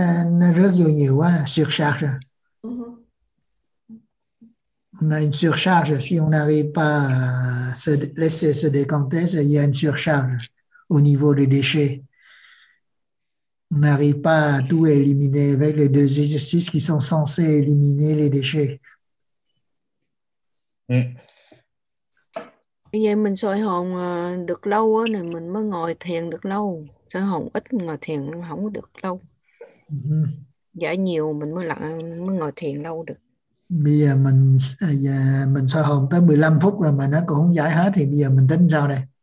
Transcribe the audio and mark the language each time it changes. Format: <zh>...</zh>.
<vi>Nó rước vô nhiều quá, surcharge.</vi> <fr>On a une surcharge. Si on n'arrive pas à se laisser se décanter, il y a une surcharge au niveau des déchets. On n'arrive pas à tout éliminer avec les deux exercices qui sont censés éliminer les déchets.</fr> <vi>Bây giờ mình soi hồn được lâu á, thì mình mới ngồi thiền được lâu. Soi hồn ít ngồi thiền không được lâu. Giải nhiều mình mới lặng, mới ngồi thiền lâu được. Bây giờ mình soi hồn tới 15 phút rồi mà nó cũng không giải hết, thì bây giờ mình tính sao đây?</vi>